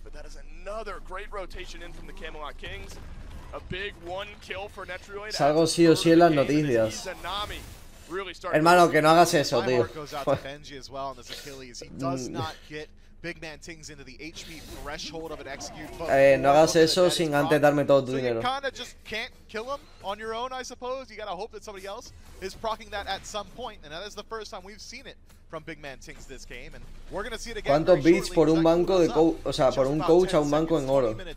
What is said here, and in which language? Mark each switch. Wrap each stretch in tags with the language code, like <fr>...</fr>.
<en>But that is another great rotation in from the Camelot Kings. A big one kill for Netrioid.</en> <es>Salgo sí o sí en las noticias.</es> <en>Really,</en> <es>hermano, que no hagas eso, tío.</es> <en>Goes out to Benji as well on this Achilles. He does not get Big Man Tings into the HP threshold of an execute.</en> <es>No hagas eso sin antes darme todo tu dinero.</es> <en>So you kind of just can't kill him on your own, I suppose. You gotta hope that somebody else is proccing that at some point. And that is the first time we've seen it from Big Man Tings this game, and we're gonna see it again.</en> <es>¿Cuántos beats por un banco de o sea, por un coach a un banco en oro?</es>